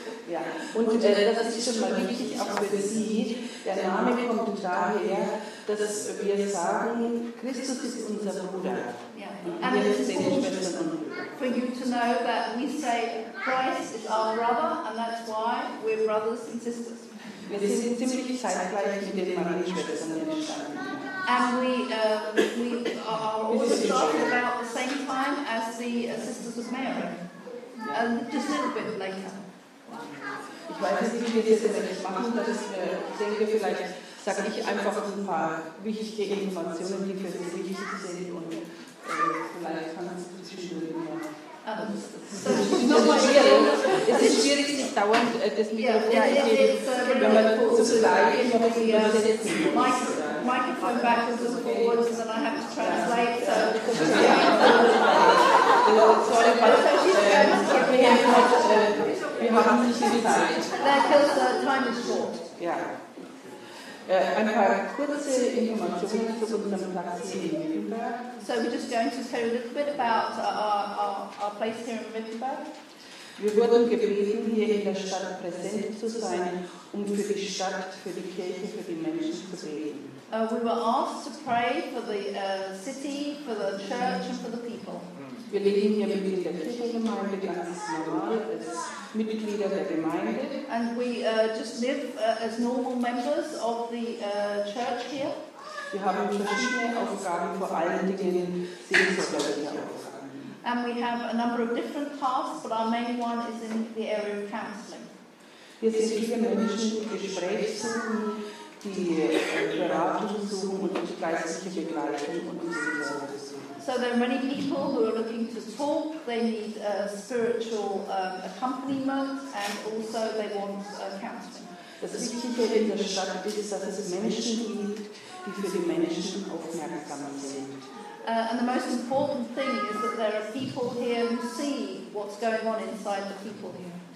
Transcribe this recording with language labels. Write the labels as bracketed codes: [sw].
[de] Ja, und das ist schon mal wichtig auch für Sie. Der Name kommt daher, dass wir sagen, Christus ist unser Bruder. [en] Yeah. And it's important for you to know that we say Christ is our brother, and that's why we're brothers and sisters. [de] Wir sind ziemlich zeitgleich mit den Marienschwestern entstanden. [en] And we are also started about the same time as the Sisters of Mary, and just a little bit later. [de] Ich weiß nicht, wie wir das jetzt machen, dass ich denke, vielleicht sage ich einfach ein paar wichtige Informationen, die für Sie wichtig sind, und vielleicht kann es zwischendurch mehr. Das ist schwierig. Es ist schwierig, nicht dauernd das Mikrofon zu geben, wenn man so gleich in der [en] Microphone back and forwards, and I have to translate. So we're just going to tell you a little bit about our place here in Wittenberg. [de] Wir wurden gebeten, hier in der Stadt präsent zu sein, um für die Stadt, für die Kirche, für die Menschen zu beten. [en] We were asked to pray for the city, for the church and for the people. [de] Wir leben hier mit der Kirchengemeinde ganz normal als Mitglieder der Gemeinde. [en] And we just live as normal members of the church here. [de] Wir haben verschiedene Aufgaben, vor allen Dingen Seelsorge. [en] And we have a number of different tasks, but our main one is in the area of counseling. [de] Wir sind viele Menschen, die Gespräche suchen, die Beratung suchen und die geistliche Begleitung und die Seelsorge suchen. [en] So there are many people who are looking to talk, they need spiritual accompaniment, and also they want counseling. [de] Das Wichtige in der Stadt ist, dass es Menschen gibt, die für die Menschen aufmerksam sind. [en] And the most important thing is that there are people here who see what's going on inside the people here.